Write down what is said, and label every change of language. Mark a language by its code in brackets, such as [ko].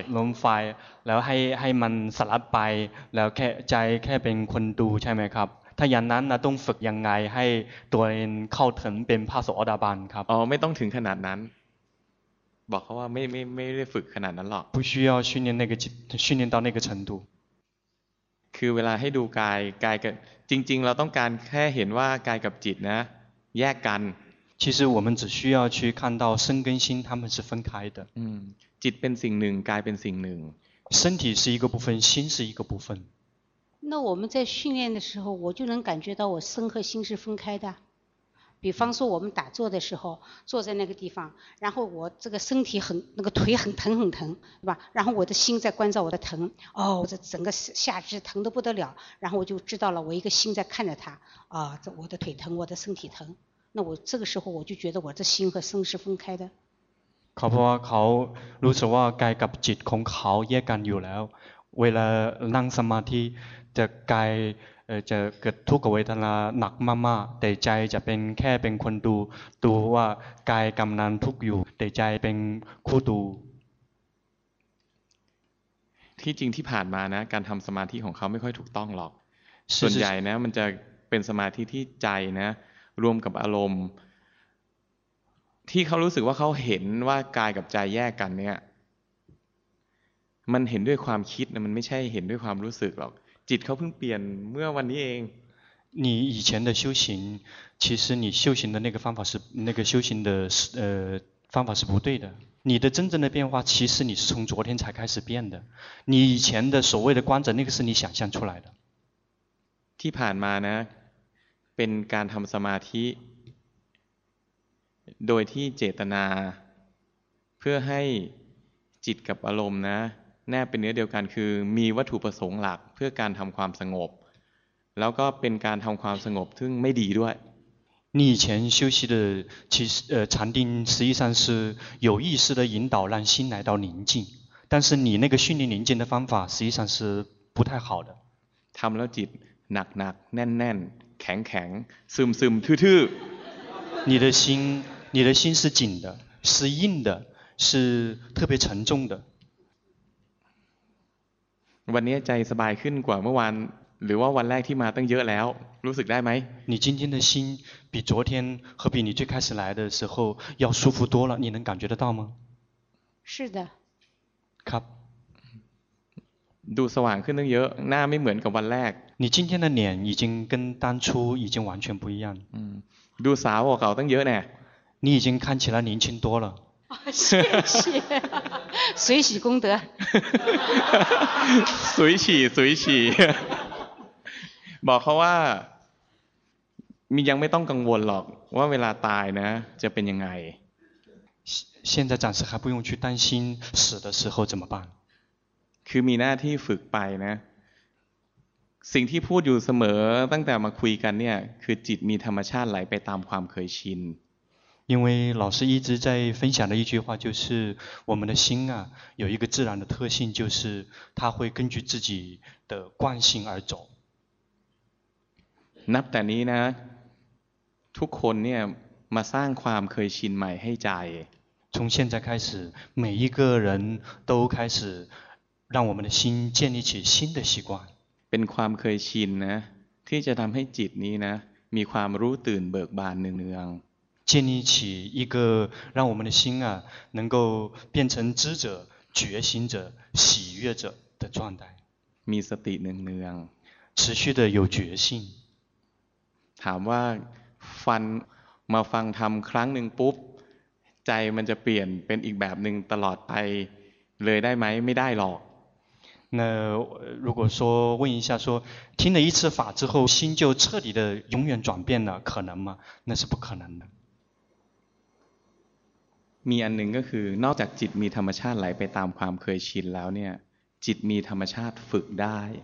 [th] ลมไฟแล้วให้มันสลับไปแล้วแค่ใจแค่เป็นคนดูใช่ไหมครับถ้าอย่างนั้นนะต้องฝึกยังไงให้ตัวเองเข้าถึงเป็นพระโสดาบันครับ อ๋อไม่ต้องถึงขนาดนั้นบอกเขาว่าไม่ได้ฝึกขนาดนั้นหรอก [zh] 不需要训练那个训练到那个程度 [th] คือเวลาให้ดูกายกับจริงๆเราต้องการแค่เห็นว่ากายกับจิตนะแยกกัน [zh] 其实我们只需要去看到身跟心他们是分开的 [th] จิตเป็นสิ่งหนึ่งกายเป็นสิ่งหนึ่ง [zh] 身体是一个部分心是一个部分那我们在训练的时候我就能感觉到我身和心是分开的比方说我们打坐的时候坐在那个地方然后我这个身体很那个腿很疼对吧然后我的心在关照我的疼哦我的整个下肢疼得不得了然后我就知道了我一个心在看着它啊我的腿疼我的身体疼那我这个时候我就觉得我的心和身是分开的 [th] เขาบอกว่าเขารู้สึกว่ากายกับจิตของเขาแยกกันอยู่แล้วเวลานั่งสมาธิจะกายจะเกิดทุกขเวทนาหนักมากๆแต่ใจจะเป็นแค่เป็นคนดูว่ากายกำนันทุกข์อยู่แต่ใจเป็นคู่ดู ที่จริงที่ผ่านมานะการทำสมาธิของเขาไม่ค่อยถูกต้องหรอกส่วนใหญ่นะมันจะเป็นสมาธิที่ใจนะรวมกับอารมณ์ที่เขารู้สึกว่าเขาเห็นว่ากายกับใจแยกกันเนี่ยมันเห็นด้วยความคิดนะมันไม่ใช่เห็นด้วยความรู้สึกหรอกจิตเขาเพิ่งเปลี่ยนเมื่อวันนี้เอง [zh] 你以前的修行其实你修行的那个方法是那个修行的方法是不对的你的真正的变化其实你是从昨天才开始变的你以前的所谓的观者那个是你想象出来的 [th] ที่ผ่านมานะเป็นการทำสมาธิโดยที่เจตนาเพื่อให้จิตกับอารมณ์นะแน่เป็นเนื้อเดียวกันคือมีวัตถุประสงค์หลักเพื่อการทำความสงบแล้วก็เป็นการทำความสงบซึ่งไม่ดีด้วย [zh] 你以前修习的其实禅定实际上是有意识的引导让心来到宁静但是你那个训练宁静的方法实际上是不太好的 [th] ทำแล้วจิต หนักหนักแน่นแน่นแข็งแข็งซึมซึมทื่อทื่ [zh] อ你的心你的心是紧的是硬的是特别沉重的 [th] วันนี้ใจสบายขึ้นกว่าเมื่อวานหรือว่าวันแรกที่มาตั้งเยอะแล้วรู้สึกได้ไหม [zh] 你今天的心比昨天和比你最开始来的时候要舒服多了你能感觉得到吗是的 [th] ครับ ดูสว่างขึ้นตั้งเยอะหน้าไม่เหมือนกับวันแรก [zh] 你今天的脸已经跟当初已经完全不一样 [th] ดูสาวกว่าเก่าตั้งเยอะแน่ [zh] 你已经看起来年轻多了谢谢随喜功德随喜随喜 [th] บอกเขาว่ามียังไม่ต้องกังวลหรอกว่าเวลาตายนะจะเป็นยังไง [zh] 现在暂时还不用去担心死的时候怎么办 [th] คือมีหน้าที่ฝึกไปนะสิ่งที่พูดอยู่เสมอตั้งแต่มาคุยกันเนี่ยคือจิตมีธรรมชาติไหลไปตามความเคยชิน [zh] 因为老师一直在分享的一句话就是我们的心啊有一个自然的特性就是它会根据自己的惯性而走 [th] นับแต่นี้นะทุกคนเนี่ยมาสร้างความเคยชินใหม่ให้ใจ [zh] 从现在开始每一个人都开始让我们的心建立起新的习惯 [th] เป็นความเคยชินนะที่จะทำให้จิตนี้นะมีความรู้ตื่นเบิกบานเนือง [zh] ๆ建立起一个让我们的心啊能够变成知者觉醒者喜悦者的状态 [th] มีสติเนือง [zh] ๆ持续的有觉性 [th] ถามว่าฟันมาฟังธรรมครั้งหนึ่งปุ๊บใจมันจะเปลี่ยนเป็นอีกแบบหนึ่งตลอดไปเลยได้ไหมไม่ได้หรอก [zh] 那如果说问一下说听了一次法之后心就彻底的永远转变了可能吗那是不可能的 [th] มีอันหนึ่งก็คือนอกจากจิตมีธรรมชาติไหลไปตามความเคยชินแล้วเนี่ยจิตมีธรรมชาติฝึกได้